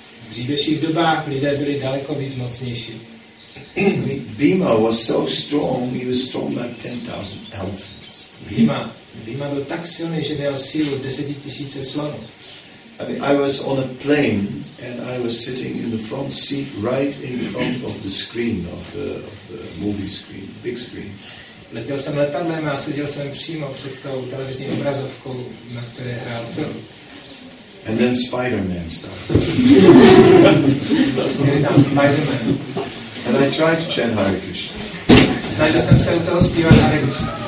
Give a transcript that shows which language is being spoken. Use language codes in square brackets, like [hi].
[cs] V dřívějších dobách lidé byli daleko víc mocnější. [en] Bhima was so strong, he was strong like 10,000 elephants. [cs] Bhima byl tak silný, že měl sílu 10,000 slonů. [en] I mean, I was on a plane and I was sitting in the front seat right in front of the screen, of the movie screen, big screen. [cs] Letěl jsem letadlem a seděl jsem přímo před tou televizní obrazovkou, na které hrál film. [en] And then Spider-Man started. [cs] Spider-Man. [en] And I tried to chant Hare Krishna. [cs] Snažil jsem se u toho zpívat Hare Krishna.